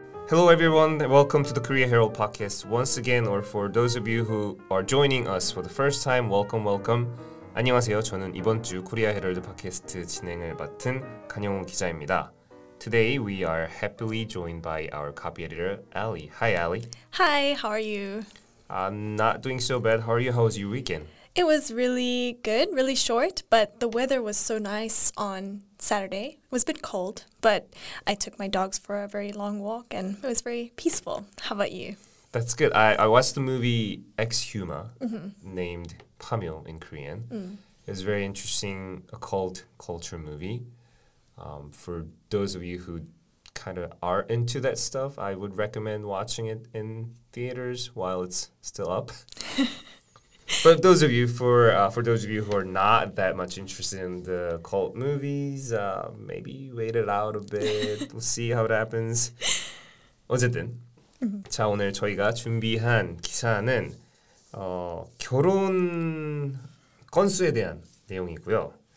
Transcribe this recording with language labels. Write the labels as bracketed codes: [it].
[en] Hello everyone, welcome to the Korea Herald Podcast once again, or for those of you who are joining us for the first time, welcome, welcome. [ko] 안녕하세요, 저는 이번 주 코리아 헤럴드 팟캐스트 진행을 맡은 강영훈 기자입니다. [en] Today we are happily joined by our copy editor, Ali. Hi, Ali. Hi, how are you? I'm not doing so bad. How are you? How was your weekend? It was really good, really short, but the weather was so nice on Saturday. It was a bit cold, but I took my dogs for a very long walk and it was very peaceful. How about you? That's good. I watched the movie Exhuma, mm-hmm. named Pamyul in Korean. Mm. It was very interesting occult culture movie. For those of you who kind of are into that stuff, I would recommend watching it in theaters while it's still up. But those of you for those of you who are not that much interested in the cult movies, maybe wait it out a bit. We'll see how it happens. [ko] 어쨌든 자 오늘 저희가 준비한 기사는 결혼 건수에 대한 내용이고요.